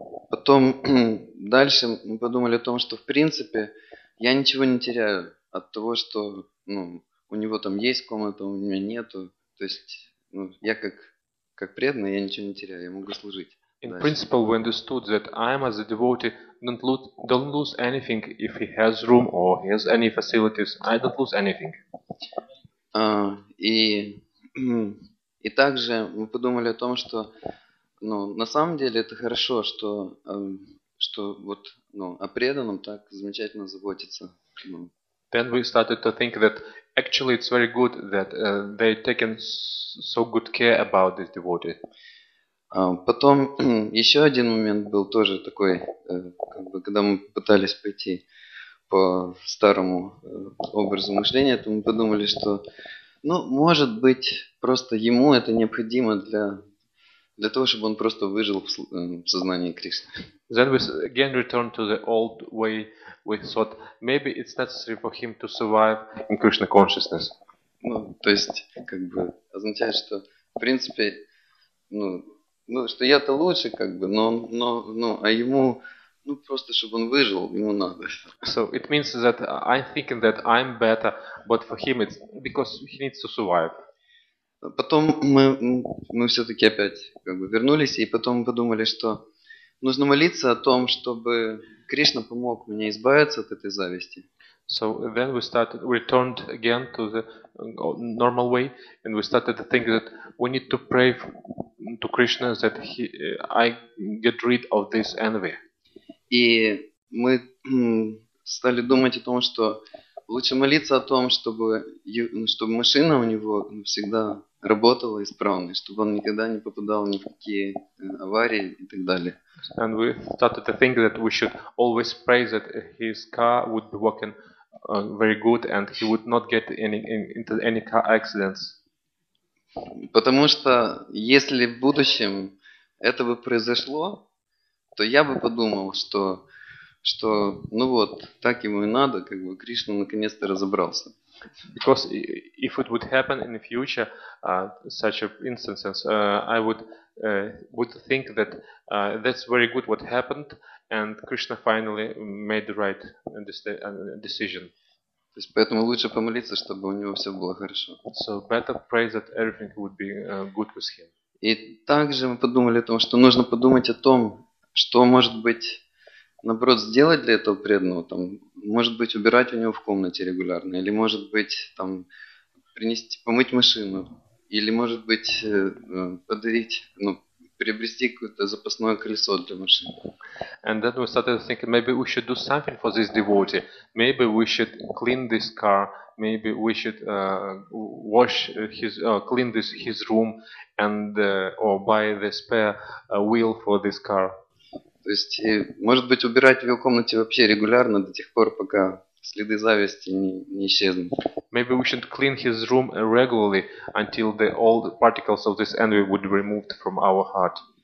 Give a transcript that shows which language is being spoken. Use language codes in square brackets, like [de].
[ru] Потом, дальше мы подумали о том, что, в принципе, я ничего не теряю от того, что у него там есть комната, у меня нету. То есть я как преданный, я ничего не теряю, я могу служить. [en] In principle, we understood that I am as a devotee don't lose anything if he has room or he has any facilities. I don't lose anything. [ru] И также мы подумали о том, что, ну, на самом деле это хорошо, что, что вот, ну, о преданном так замечательно заботиться. Ну. [en] Then we started to think that actually it's very good that they taken so good care about this devotee. [ru] Потом еще один момент был тоже такой, как бы, когда мы пытались пойти по старому образу мышления, то мы подумали, что, ну, может быть, просто ему это необходимо для, для того, чтобы он просто выжил в сознании Кришны. [en] Then we again returned to the old way. We thought maybe it's necessary for him to survive in Krishna consciousness. [ru] Ну, то есть, как бы, означает, что, в принципе, ну, ну, что я-то лучше, как бы, но, ну, а ему, ну, просто, чтобы он выжил, ему надо. [en] So it means that I'm thinking that I'm better, but for him it's because he needs to survive. [ru] Потом мы все-таки опять, как бы, вернулись, и потом подумали, что нужно молиться о том, чтобы Кришна помог мне избавиться от этой зависти. [en] So then we started, we returned again to the normal way, and we started to think that we need to pray to Krishna that he, I get rid of this envy. [ru] И мы стали думать о том, что лучше молиться о том, чтобы машина у него всегда работала исправно, чтобы он никогда не попадал ни в какие аварии и так далее. [en] And we started to think that we should always pray that his car would be working very good and he would not get into any car accidents. [ru] Потому что если в будущем это бы произошло, то я бы подумал, что, что, ну вот, так ему и надо, как бы Кришна наконец-то разобрался. [en] Because if it would happen in the future, such a instance, I would think that that's very good what happened, and Krishna finally made the right decision. [ru] То есть поэтому лучше помолиться, чтобы у него все было хорошо. [en] So better pray that everything would be good with him. [ru] И также мы подумали о том, что нужно подумать о том, что может быть, наоборот, сделать для этого преданного, там, может быть, убирать у него в комнате регулярно, или может быть, там, принести, помыть машину, или может быть, подарить, ну, приобрести какое-то запасное колесо для машины. [en] And then we started thinking, maybe we should do something for this devotee. Maybe we should clean this car. Maybe we should wash his, clean this his room, and or buy the spare wheel for this car. [ru] То есть, может быть, убирать в его комнате вообще регулярно до тех пор, пока следы зависти не исчезнут. [en] Maybe we should clean his room regularly until the old particles of this envy would be removed from our heart.